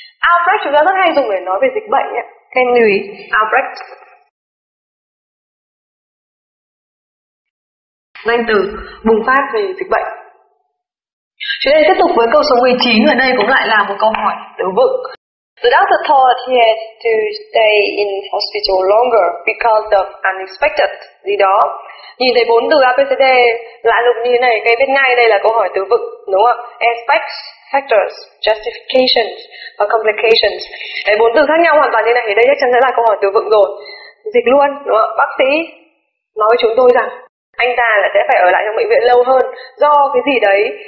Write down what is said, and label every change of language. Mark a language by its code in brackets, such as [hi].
[vi] Outbreak chúng ta rất hay dùng để nói về dịch bệnh ấy. Các em lưu ý, outbreak. Danh từ bùng phát về dịch bệnh. Chúng ta tiếp tục với câu số 19, ở đây cũng lại là một câu hỏi từ vựng. [en] The doctor thought he had to stay in hospital longer because of unexpected [vi] gì đó. Nhìn thấy bốn từ ABCD lạ lùng như thế này, cái biết ngay đây là câu hỏi từ vựng, đúng không? [en] Aspects, factors, justifications và complications. [vi] Đấy, bốn từ khác nhau hoàn toàn như này thì đây chắc chắn sẽ là câu hỏi từ vựng rồi. Dịch luôn, đúng không? Bác sĩ nói với chúng tôi rằng anh ta là sẽ phải ở lại trong bệnh viện lâu hơn do cái gì đấy.